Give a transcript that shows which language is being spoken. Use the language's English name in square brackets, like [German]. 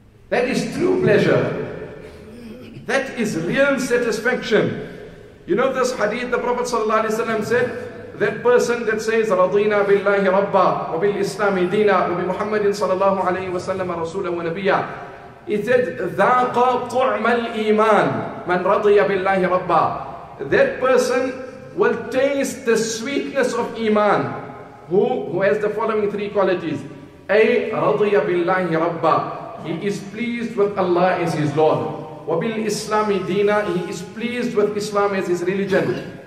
[English] That is true pleasure. That is real satisfaction. You know this hadith, the Prophet sallallahu alaihi wasallam said, that person that says, [Arabic] رَضِينَا بِاللَّهِ رَبَّا وَبِالْإِسْلَامِ دِينَا وَبِمُحَمَّدٍ صَلَى اللَّهُ عَلَيْهِ وَسَلَّمَ رَسُولًا وَنَبِيًّا. [English] He said, [Arabic] ذَاقَ طُعْمَ الْإِيمَانِ مَنْ رَضِيَ بِاللَّهِ رَبَّا. [English] That person will taste the sweetness of iman. Who has the following three qualities? [Arabic] A, رَضِيَ بِاللَّهِ رَبَّا. [English] He is pleased with Allah as his Lord. [Arabic] وَبِالْ إِسْلَامِ دِينَ. [English] He is pleased with Islam as his religion.